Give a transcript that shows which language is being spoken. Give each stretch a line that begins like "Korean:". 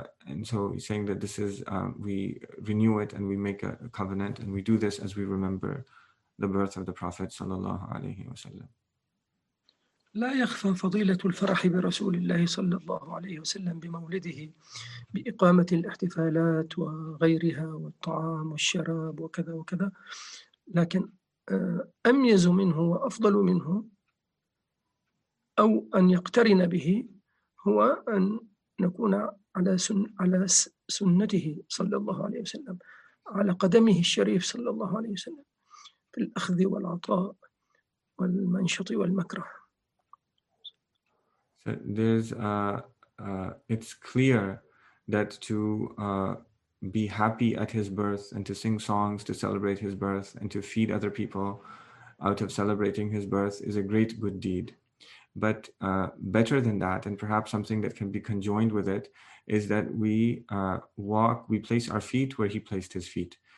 English: And so he's saying that this is, we renew it and we make a covenant and we do this as we remember the birth of the Prophet sallallahu alayhi wa sallam.
Arabic: لا يخفى فضيلة الفرح برسول الله صلى الله عليه وسلم بمولده بإقامة الاحتفالات وغيرها والطعام والشراب وكذا وكذا لكن أميز منه وأفضل منه أو أن يقترن به هو أن نكون على سنته صلى الله عليه وسلم على قدمه الشريف صلى الله عليه وسلم في الأخذ والعطاء والمنشط والمكره.
English: So there's it's clear that to be happy at his birth and to sing songs to celebrate his birth and to feed other people out of celebrating his birth is a great good deed. But better than that, and perhaps something that can be conjoined with it, is that we walk, we place our feet where he placed his feet.